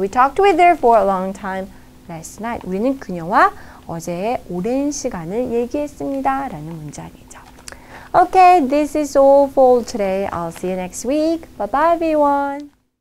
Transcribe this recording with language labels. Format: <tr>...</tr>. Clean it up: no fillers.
<en>We talked with her for a long time last night.</en> <ko>우리는 그녀와 어제 오랜 시간을 얘기했습니다. 라는 문장이죠.</ko> <en>Okay, this is all for today. I'll see you next week. Bye-bye, everyone.</en>